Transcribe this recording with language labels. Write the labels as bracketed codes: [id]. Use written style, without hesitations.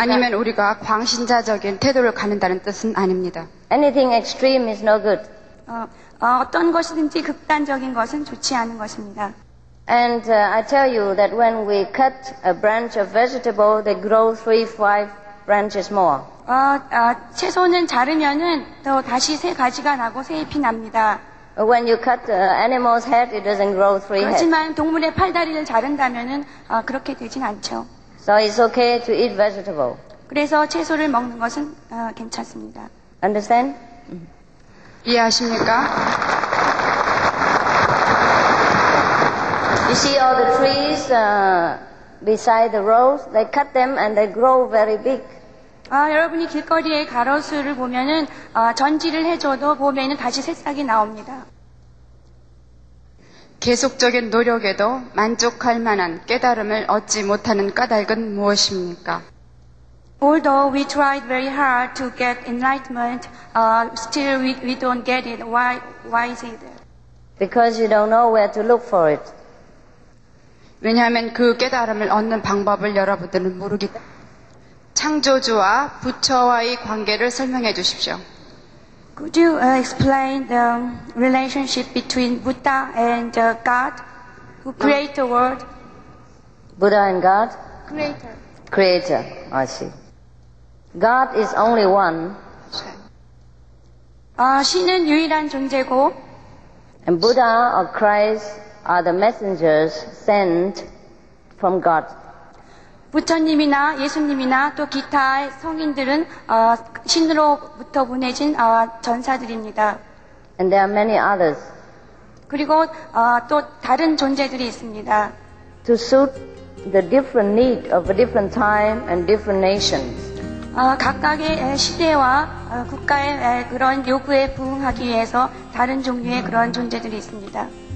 [ko] 아니면 우리가 광신자적인 태도를 갖는다는 뜻은 아닙니다. [en] Anything extreme is no good. [ko] 어떤 것이든지 극단적인 것은 좋지 않은 것입니다. [en] And I tell you that when we cut a branch of vegetable, they grow 3-5 branches more. [ko] 채소는 자르면은 또 다시 세 가지가 나고 세 잎이 납니다. [en] When you cut the animal's head, it doesn't grow three heads. [ko] 하지만 동물의 팔다리를 자른다면은 그렇게 되진 않죠. [en] So it's okay to eat vegetable. [ko] 그래서 채소를 먹는 것은 괜찮습니다. [en] Understand? [ko] 이해하십니까? [en] You see all the trees beside the roads? They cut them and they grow very big. [ko] 여러분이 길거리의 가로수를 보면은 전지를 해줘도 봄에는 다시 새싹이 나옵니다. 계속적인 노력에도 만족할 만한 깨달음을 얻지 못하는 까닭은 무엇입니까? [en] Although we tried very hard to get enlightenment, still we don't get it. Why is it? Because you don't know where to look for it. [ko] 왜냐하면 그 깨달음을 얻는 방법을 여러분들은 모르기 때문에 창조주와 부처와의 관계를 설명해 주십시오. [en] Could you explain the relationship between Buddha and God who created the world? Buddha and God? Creator. Creator, I see. God is only one. [ko] 신은 유일한 존재고 [en] And Buddha or Christ are the messengers sent from God. [ko] 부처님이나 예수님이나 또 기타 성인들은 신으로부터 보내진 전사들입니다. [en] And there are many others. [ko] 그리고 또 다른 존재들이 있습니다. [en] To suit the different need of a different time and different nations. [ko] 각각의 시대와 국가의 그런 요구에 부응하기 위해서 다른 종류의 그런 존재들이 있습니다.